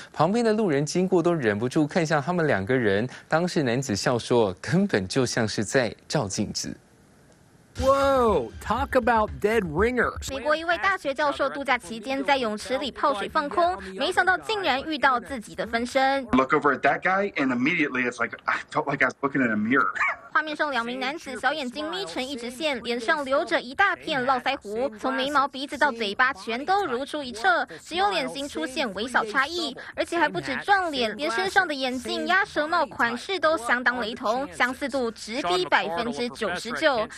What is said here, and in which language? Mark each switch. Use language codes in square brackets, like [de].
[zh] 旁边的路人经过都忍不住看向他们两个人。当时男子笑说，根本就像是在照镜子。 [en] Whoa! Talk about dead ringers. [zh] 美国一位大学教授度假期间在泳池里泡水放空，没想到竟然遇到自己的分身。 [en] Look over at that guy, and immediately it's like I felt like I was looking in a mirror. [zh] 画面上两名男子小眼睛眯成一直线，脸上留着一大片络腮胡，从眉毛、鼻子到嘴巴全都如出一辙，只有脸型出现微小差异，而且还不止撞脸，连身上的眼镜、鸭舌帽款式都相当雷同，相似度直逼99%。